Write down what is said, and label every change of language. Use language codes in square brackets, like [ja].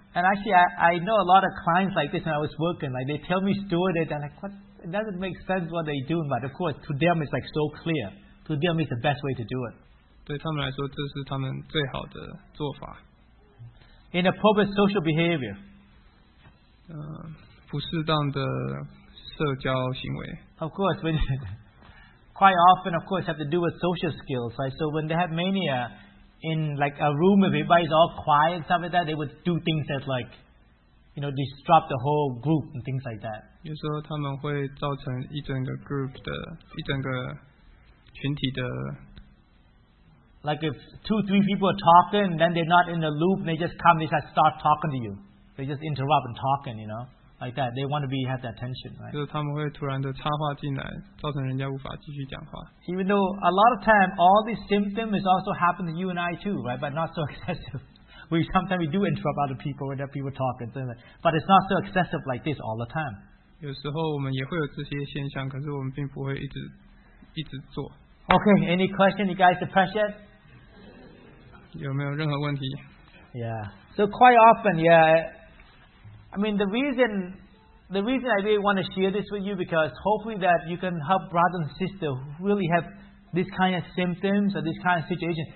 [en] And actually, I know a lot of clients like this when I was working. Like they tell me story, they're like, what? It doesn't make sense what they're doing. But of course, to them, it's like so clear. To them, it's the best way to do it. [zh] 对他们来说，这是他们最好的做法。 [en] Inappropriate social behavior. [zh] 不适当的社交行为。 [en] Of course, when quite often, of course, have to do with social skills, right? So when they have mania, in like a room, if everybody's all quiet and stuff like that, they would do things that like, you know, disrupt the whole group and things like that. [zh] 有时候他们会造成一整个 group 的一整个群体的 [en] Like if 2-3 people are talking, then they're not in the loop, they just come, they just start talking to you. They just interrupt and talking, you know? Like that, they want to have the attention, right? [zh] 就是他们会突然的插话进来，造成人家无法继续讲话。 [en] Even though a lot of time, all these symptoms is also happen to you and I too, right? But not so excessive. We sometimes do interrupt other people when there people talking, so like, but it's not so excessive like this all the time. [zh] 有时候我们也会有这些现象，可是我们并不会一直做。 [en] Okay, any question, you guys? Depression? [zh] 有没有任何问题？ [en] Yeah. So quite often, yeah. I mean, the reason I really want to share this with you because hopefully that you can help brother and sister who really have this kind of symptoms or this kind of situation.